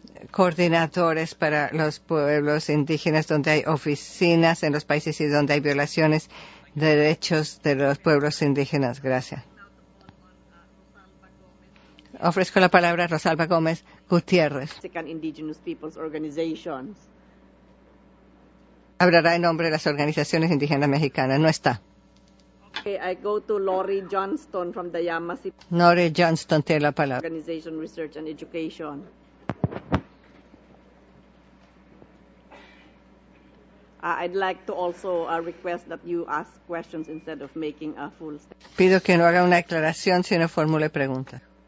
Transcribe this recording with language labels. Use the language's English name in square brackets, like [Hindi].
[Spanish] coordinadores para los pueblos indígenas donde hay oficinas en los países y donde hay violaciones de derechos de los pueblos indígenas. Gracias. Ofrezco la palabra a Rosalba Gómez Gutiérrez. [English] Indigenous Peoples Organizations. [Spanish] Hablará en nombre de las organizaciones indígenas mexicanas. No está. [English] Okay, I go to Lori Johnston from the Yamasee. [Spanish] Lori Johnston tiene la palabra. [English] Organization Research and Education. I'd like to also request that you ask questions instead of making a full statement. [Spanish] Pido que no haga una declaración, sino formule preguntas.